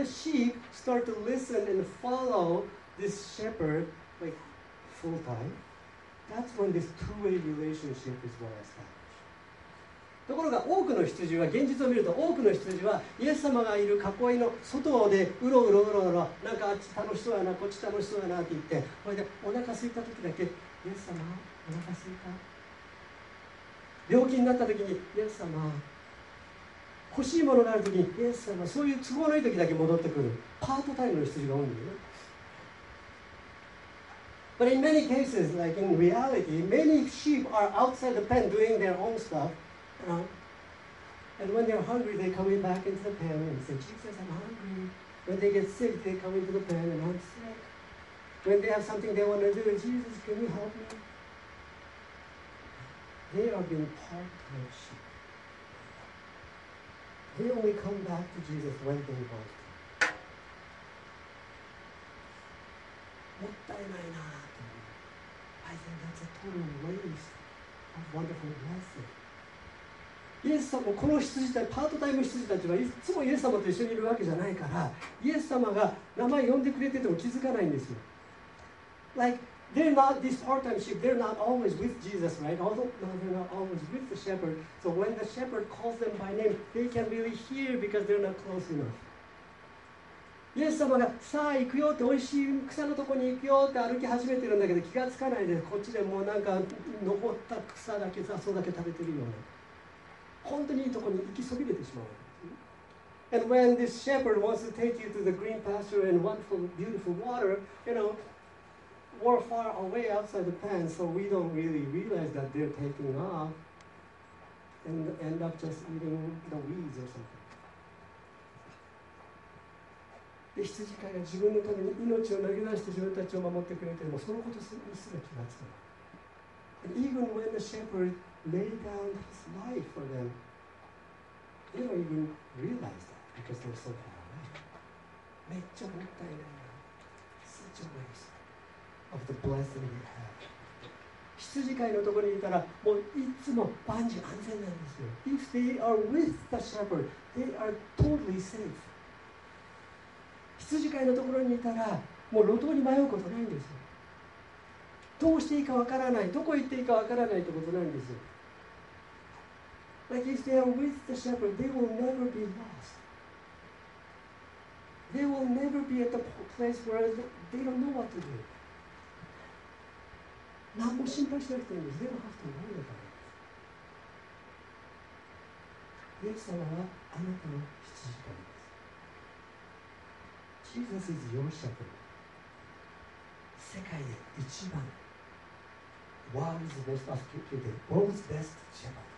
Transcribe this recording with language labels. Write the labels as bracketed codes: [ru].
[en] And when the sheep start to listen and follow this shepherd like full time, that's when this two-way relationship is what I established. [ja] ところが多くの羊は、現実を見ると多くの羊はイエス様がいる囲いの外でうろうろうろうろ、なんかあっち楽しそうやな、こっち楽しそうやなって言って、これでお腹空いた時だけ、イエス様お腹空いた、病気になった時にイエス様、欲しいものがある時にイエス様、そういう都合のいい時だけ戻ってくる、パートタイムの羊が多いんだよね。 [en] But in many cases, like in reality, many sheep are outside the pen doing their own stuff, you know? And when they're hungry, they come in back into the pen and say, Jesus, I'm hungry. When they get sick, they come into the pen and I'm sick. When they have something they want to do, Jesus, can you help me? They are being part-time sheep. They only come back to Jesus when they want to. [ja] もったいないな。 [en] I think that's a total waste of wonderful blessing. [ja] イエス様、この羊たち、パートタイム羊たちはいつもイエス様と一緒にいるわけじゃないから、イエス様が名前呼んでくれてても気づかないんですよ。 [en] Like, they're not this part-time sheep. They're not always with Jesus, right? Although, no, they're not always with the shepherd. So when the shepherd calls them by name, they can really hear because they're not close enough. [ja] イエス様がさあ行くよって、おいしい草のとこに行くよって歩き始めてるんだけど、気がつかないで、こっちでもうなんか残った草だけ、雑草だけ食べてるような、本当にいいとこに行きそびれてしまう。 [en] And when this shepherd wants to take you to the green pasture and wonderful beautiful water, you know, we're far away outside the pen, so we don't really realize that they're taking off and end up just eating the weeds or something. [ja] で、羊飼いが自分のために命を投げ出して自分たちを守ってくれても、そのことすら気がつかない。 [en] Even when the shepherd laid down his life for them, they don't even realize that because they're so far away. [ja] めっちゃもったいないな。 [en] Such a waste of the blessing we have. [ja] 羊飼いのところにいたら、もういつも万事安全なんですよ。 If they are with the shepherd, they are totally safe. 羊飼いのところにいたら、もう路頭に迷うことないんですよ。どうしていいかわからない、どこ行っていいかわからないってことなんですよ。 [en] Like if they are with the shepherd, they will never be lost. They will never be at the place where they don't know what to do. [ja] 何も心配しなくていいんです。 [en] They don't have to worry about it. [ja] イエス様はあなたの羊飼い。 [en] Jesus is your shepherd. [ja] 世界で一番、 [en] world's best, world's best shepherd.